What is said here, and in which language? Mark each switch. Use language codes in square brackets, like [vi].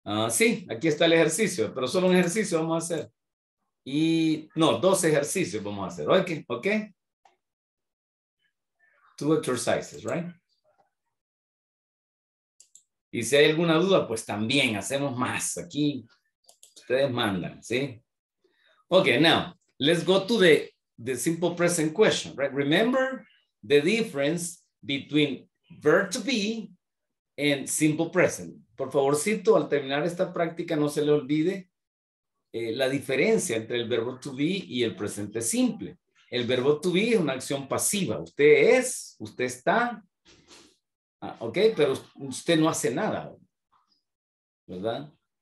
[es] Sí, aquí está el ejercicio, pero solo un ejercicio vamos a hacer. Y no, dos ejercicios vamos a hacer. Ok. [en] Two exercises, right? [es] Y si hay alguna duda, pues también hacemos más aquí. Ustedes mandan, ¿sí? [en] Ok, now, let's go to the simple present question, right? Remember the difference between verb to be and simple present. [es] Por favorcito, al terminar esta práctica, no se le olvide la diferencia entre el verbo to be y el presente simple. El verbo to be es una acción pasiva. Usted es, usted está, ok, pero usted no hace nada, ¿verdad?